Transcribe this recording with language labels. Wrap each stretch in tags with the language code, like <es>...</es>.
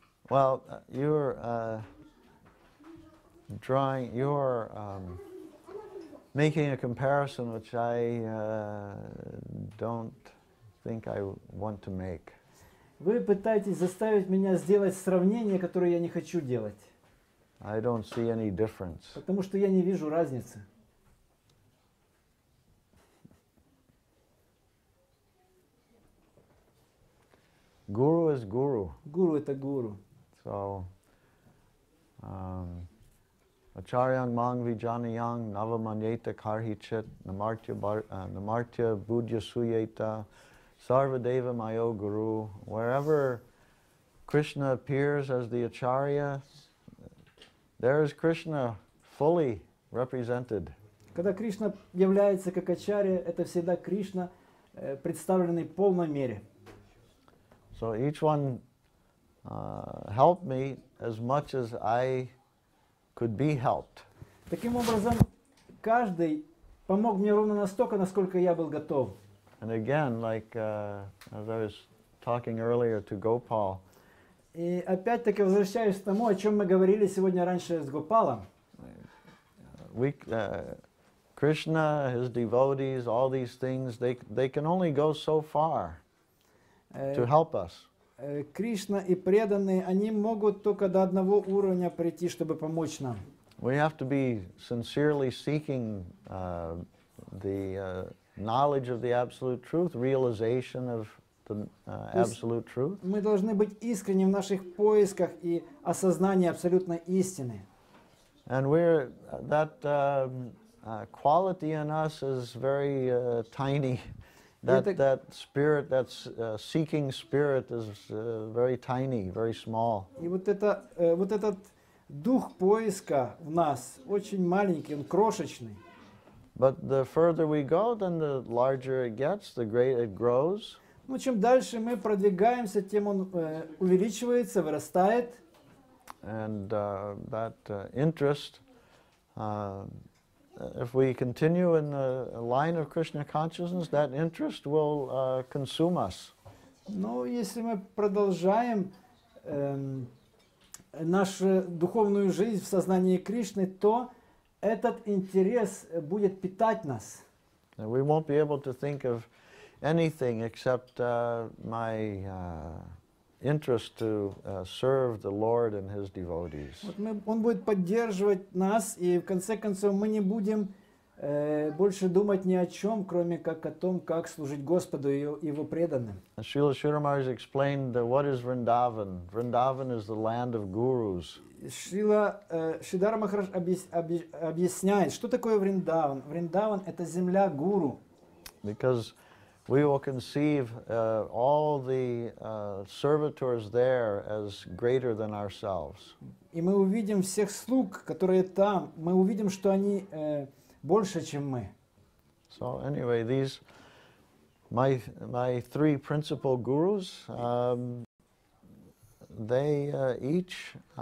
<en>well, you're drawing, you're making a comparison which I don't think I want to make.</en> <ru>Вы пытаетесь заставить меня сделать сравнение, которое я не хочу делать.</ru> <en>I don't see any difference.</en> <ru>Потому что я не вижу разницы.</ru> <en>Guru is guru.</en> <ru>Guru это guru.</ru> <sa>So, acharyang mang vijaniyang navamanyeta karhichit namartya buddhyasuyeta sarvadeva mayo guru.</sa> <en>Wherever Krishna appears as the acharya, there is Krishna fully represented.</en> <ru>Когда Кришна является как ачарья, это всегда Кришна, представленный в полной мере.</ru> <en>So each one helped me as much as I could be helped.</en> <ru>Таким образом, каждый помог мне ровно настолько, насколько я был готов.</ru> <en>And again, like as I was talking earlier to Gopal.</en> <ru>И опять-таки возвращаюсь к тому, о чем мы говорили сегодня раньше с Гопалом.</ru> <en>Кришна, his devotees, all these things, they can only go so far to help us.</en> <ru>Кришна и преданные, они могут только до одного уровня прийти, чтобы помочь нам.</ru> <en>We have to be sincerely seeking the knowledge of the absolute truth, realization of absolute truth.</en> <ru>Мы должны быть искренни в наших поисках и осознании абсолютной истины.</ru> <en>And we're that quality in us is very tiny. That spirit, that seeking spirit, is very tiny, very small.</en> <ru>И вот это вот этот дух поиска в нас очень маленький, он крошечный.</ru> <en>But the further we go, then the larger it gets, the greater it grows.</en> <ru>Ну, чем дальше мы продвигаемся, тем он увеличивается, вырастает.</ru> <en>And that interest, if we continue in the line of Krishna consciousness, that interest will consume us.</en> <ru>Ну, если мы продолжаем нашу духовную жизнь в сознании Кришны, то этот интерес будет питать нас.</ru> <en>And we won't be able to think of anything except my interest to serve the Lord and his devotees.</en> <ru>Он будет поддерживать нас, и в конце концов мы не будем больше думать ни о чем, кроме как о том, как служить Господу и его преданным.</ru> <en>Srila Giri Maharaja explained what is Vrindavan. Vrindavan is the land of gurus.</en> <ru>Srila Giri Maharaja объясняет, что такое Вриндаван. Вриндаван это земля гуру.</ru> <en>Because we will conceive all the servitors there as greater than ourselves.</en> <ru>И мы увидим всех слуг, которые там, мы увидим, что они больше, чем мы.</ru> <en>So anyway, these my three principal gurus, they each</en>